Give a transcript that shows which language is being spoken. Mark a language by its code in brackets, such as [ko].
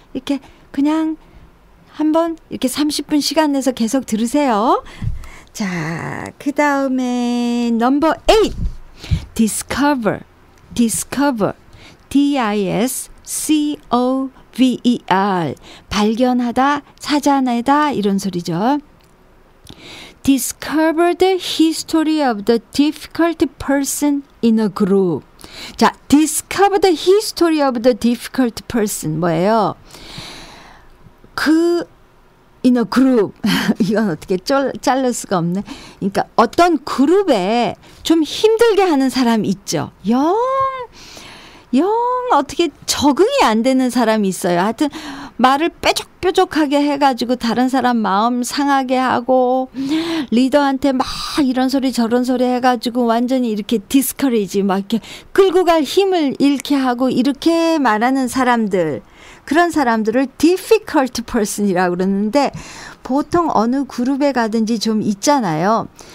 [ko] 이렇게 그냥 한번 이렇게 30분 시간 내서 계속 들으세요. 자, 그 다음에 넘버 8. Discover. [en] D-I-S-C-O-V-E-R. [ko] 발견하다, 찾아내다 이런 소리죠. [en] Discover the history of the difficult person in a group. 자, discover the history of the difficult person. [ko] 뭐예요? 그 [en] in a group. [ko] 이건 어떻게 자를 수가 없네. 그러니까 어떤 그룹에 좀 힘들게 하는 사람 있죠. 영 어떻게 적응이 안 되는 사람이 있어요. 하여튼 말을 뾰족뾰족하게 해가지고 다른 사람 마음 상하게 하고 리더한테 막 이런 소리 저런 소리 해가지고 완전히 이렇게 디스커리지 막 이렇게 끌고 갈 힘을 잃게 하고 이렇게 말하는 사람들, 그런 사람들을 difficult person이라고 그러는데 보통 어느 그룹에 가든지 좀 있잖아요.